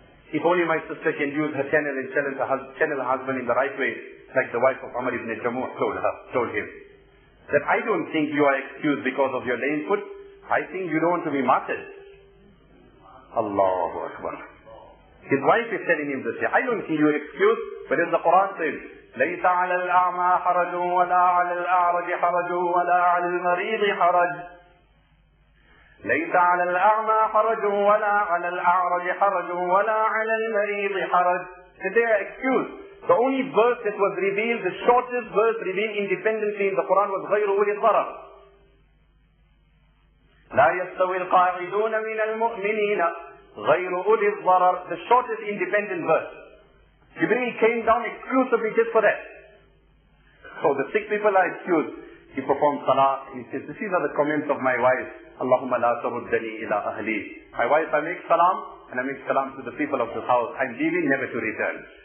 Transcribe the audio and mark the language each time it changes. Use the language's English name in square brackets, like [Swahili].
[English] If only my sister can use her channel and channel her husband in the right way, like the wife of Amr ibn Jamu told him, that I don't think you are excused because of your lame foot. I think you don't want to be martyred. Allahu Akbar. His wife is telling him this. I don't think you are excused, but as the Quran says, [Arabic] ليس على الأعمى حرج ولا على الأعرج حرج ولا على المريض حرج. ليس على الأعمى حرج ولا على الأعرج حرج ولا على المريض حرج. [English] They are excused. The only verse that was revealed, the shortest verse revealed independently in the Quran was [Arabic] غير أولي الضرر. لا يستوي القاعدون من المؤمنين غير أولي الضرر. [English] The shortest independent verse. Jibreel came down exclusively just for that. So the sick people are excused. He performed salah. He says, this is the comments of my wife. [Arabic] Allahumma la turuddani ila ahli. [English] My wife, I make salam, and I make salam to the people of this house. I'm leaving never to return.